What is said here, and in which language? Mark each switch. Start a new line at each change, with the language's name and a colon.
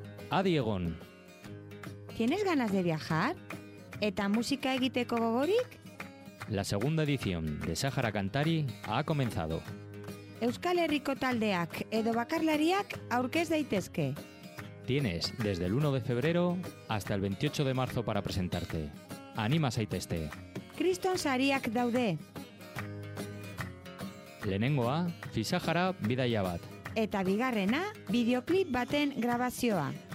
Basque: Adi egon.
Spanish: ¿Tienes ganas de viajar?
Basque: ¿Eta música egiteko gogorik?
Spanish: La segunda edición de Sahara Kantari ha comenzado.
Basque: Euskal Herriko taldeak edo bakarlariak aurkez daitezke.
Spanish: Tienes desde el 1 de febrero hasta el 28 de marzo para presentarte.
Basque: Anima zaitezte. Kriston sariak daude. Lehenengoa, Fisahara bidaia bat. Eta bigarrena, videoclip baten grabazioa.